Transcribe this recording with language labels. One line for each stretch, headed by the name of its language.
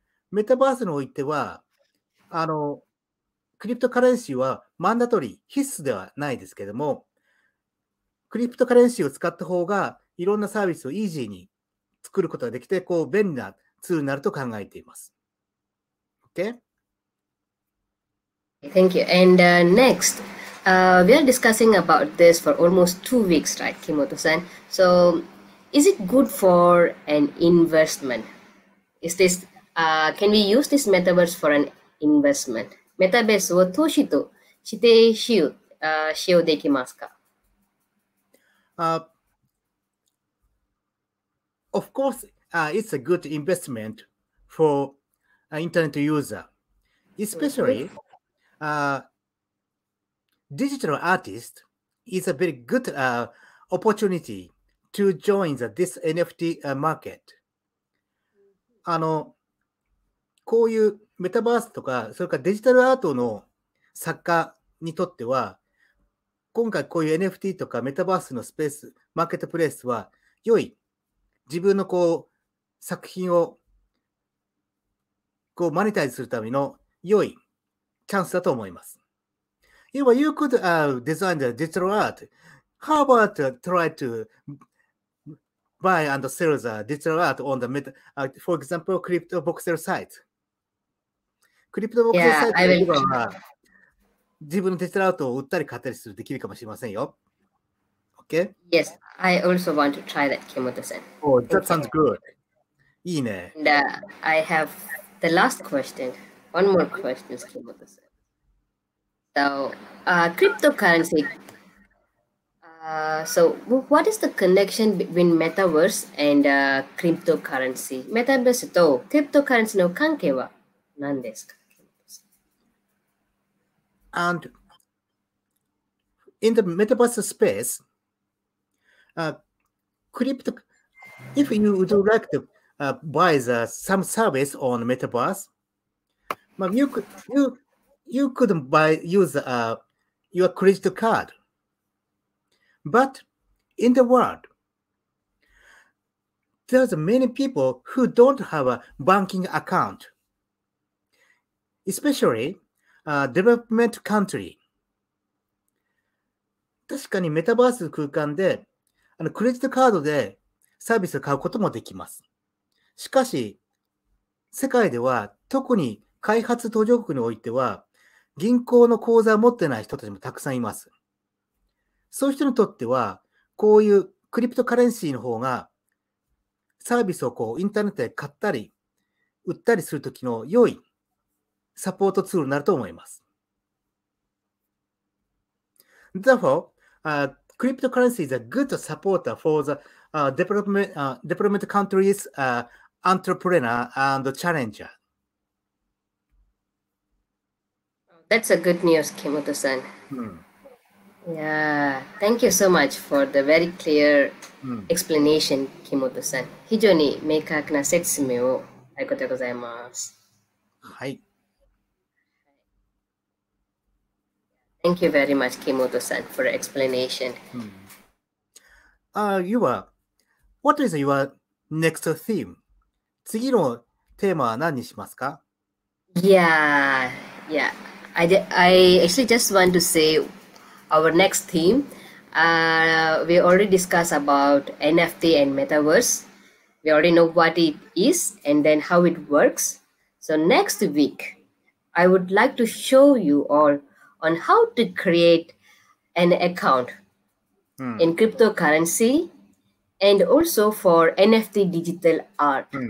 Japanese: メタバースにおいてはあのクリプトカレンシーはマンダトリー必須ではないですけども、クリプトカレンシーを使った方がいろんなサービスをイージーに作ることができて、こう便利なツールになると考えています。
English: OK? Thank you. And next, we are discussing about this for almost 2 weeks, right, Kimoto-san? So, is it good for an investment? Is this, can we use this metaverse for an investment?
Japanese: メタバースを投資として使用できますか？
English: Of course, it's a good investment for an internet user, especially digital artist is a very good opportunity to join this NFT market.
Japanese: あの、こういうメタバースとか、それからデジタルアートの作家にとっては、今回こういう NFT とかメタバースのスペース、マーケットプレイスは良い。自分のこう作品をこうマネタイズするための良いチャンスだと思います。
English: You know, you could design the digital art. How about try to buy and sell the digital art on the meta, for example, crypto voxel site? Crypto voxel site
Japanese: では、yeah, 自分のデジタルアートを売ったり買ったりするできるかもしれませんよ。
English: Okay? Yes, I also want to try that, Kimoto-san. Oh, that sounds good.
Japanese: いいね。
English: And, I have the last question. One more question, Kimoto-san. So, cryptocurrency. So, what is the connection between metaverse and cryptocurrency?
Japanese: Metaverse とクリプトカレンシーの関係は何ですか？
English: And in the metaverse space,crypto, if you would like to buy the, some service on Metaverse, well, you could buy, use your credit card. But in the world, there's many people who don't have a banking account, especially development country.
Japanese: 確かにメタバース空間でクレジットカードでサービスを買うこともできます。しかし、世界では特に開発途上国においては、銀行の口座を持ってない人たちもたくさんいます。そういう人にとっては、こういうクリプトカレンシーの方が、サービスをこうインターネットで買ったり、売ったりするときの良いサポートツールになると思います。
English: Therefore, Cryptocurrency is a good supporter for the development countries, entrepreneur and challenger. That's a good news, Kimoto-san. Mm. Yeah, thank you so much for the very clear explanation, Kimoto-san.
Japanese: 非常に明確な説明をありがとうございます。はい。
English: Thank you very much, Kimoto-san, for the explanation. What is your next theme?
Japanese: 次のテーマは何にしますか?
English: I actually just want to say our next theme. We already discussed about NFT and Metaverse. We already know what it is and then how it works. So next week, I would like to show you all on how to create an account in cryptocurrency and also for NFT digital art.